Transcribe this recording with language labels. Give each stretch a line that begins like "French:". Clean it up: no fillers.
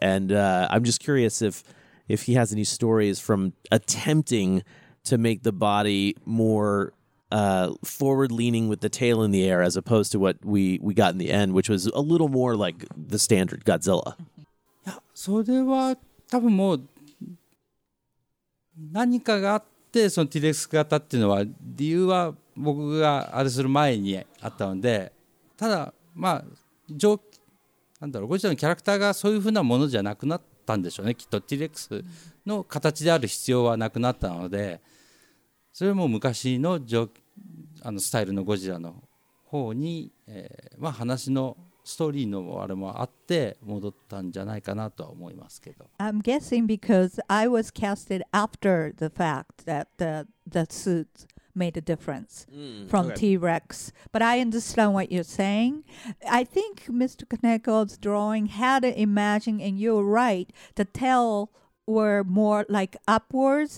English: And I'm just curious if he has any stories from attempting to make the body more forward leaning with the tail in the air, as opposed to what we got in the end, which was a little more like the standard Godzilla. Yeah, so there was probably more.
Japanese: 何かがあってその T-Rex 型っていうのは理由は僕があれする前にあったので、ただまあ上なんだろう、ゴジラのキャラクターがそういうふうなものじゃなくなったんでしょうね、きっと T-Rex の形である必要はなくなったので、それも昔 あのスタイルのゴジラの方に、まあ話のストーリーのあれもあって戻ったんじゃないかなとは思いますけど。
English: I'm guessing because I was casted after the fact that the suit made a difference from T-Rex. But I understand what you're saying. I think Mr. Kaneko's drawing had an imagine, and you're right, the tail were more like upwards.